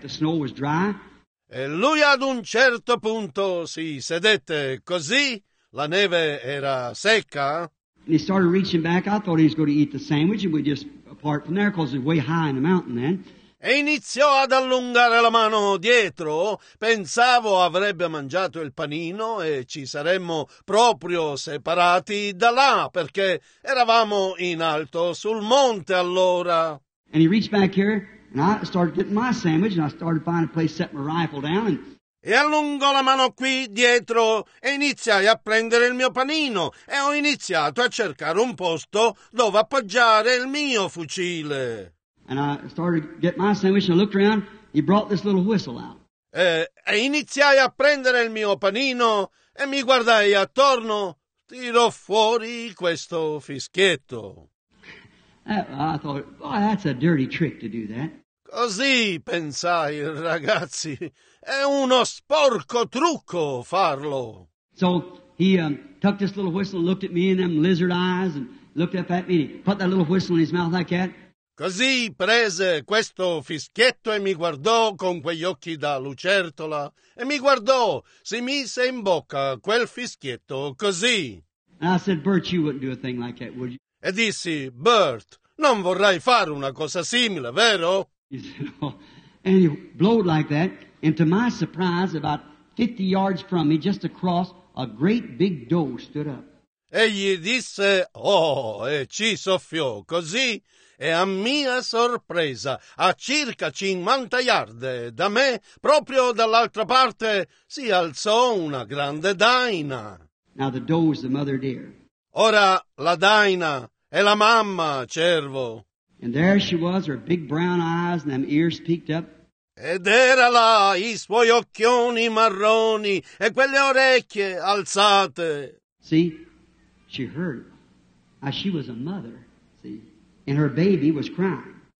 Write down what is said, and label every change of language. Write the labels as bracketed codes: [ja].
[en] The snow was dry. [it] E lui ad un certo punto si sedette così, la neve era secca. [en] And he started reaching back. I thought he was going to eat the sandwich, and we just apart from there because it was way high in the mountain then. [it] E iniziò ad allungare la mano dietro. Pensavo avrebbe mangiato il panino e ci saremmo proprio separati da là perché eravamo in alto sul monte allora. [en] And he reached back here, and I started getting my sandwich, and I started finding a place to set my rifle down. And... [it] E allungò la mano qui dietro e iniziai a prendere il mio panino e ho iniziato a cercare un posto dove appoggiare il mio fucile. [en] And I started to get my sandwich and I looked around. He brought this little whistle out. [it] E iniziai a prendere il mio panino e mi guardai attorno. Tirò fuori questo fischietto. [en] I thought, boy, that's a dirty trick to do that. [it] Così pensai, ragazzi, è uno sporco trucco farlo. [en] So he tucked this little whistle and looked at me in them lizard eyes and looked up at me and he put that little whistle in his mouth like that. [it] Così prese questo fischietto e mi guardò con quegli occhi da lucertola e mi guardò, si mise in bocca quel fischietto così. [en] And I said, Bert, you wouldn't do a thing like that, would you? [it] E dissi, Bert, non vorrai fare una cosa simile, vero? [en] He said, and he blowed like that, and to my surprise, about 50 yards from me, just across, a great big doe stood up. [it] Egli disse, e ci soffiò così, e a mia sorpresa, a circa 50 yard da me, proprio dall'altra parte, si alzò una grande daina. [en] Now the doe is the mother deer. [it] Ora la daina è la mamma cervo. [en] And there she was, her big brown eyes and them ears peaked up. [it] Ed era là, i suoi occhioni marroni e quelle orecchie alzate. [en] See, she heard. Now she was a mother, see, and her baby was crying.